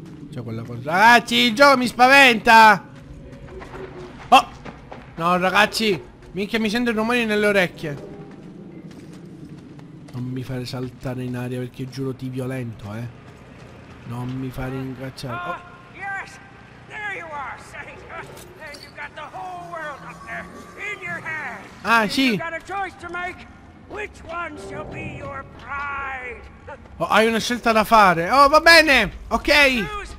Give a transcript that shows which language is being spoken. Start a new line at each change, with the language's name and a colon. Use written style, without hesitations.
Italian: C'è quella cosa... Ragazzi, il gioco mi spaventa! Oh! No, ragazzi! Minchia, mi sento il rumore nelle orecchie. Non mi fare saltare in aria perché giuro ti violento, eh. Non mi fare incazzare.
English: Yes! There you are, Saint! And you've got the whole world up there in your hands!
Italian: Ah, sì!
English: You've got a choice to make! Which one shall be your pride?
Italian: Oh, hai una scelta da fare! Oh, va bene! Ok!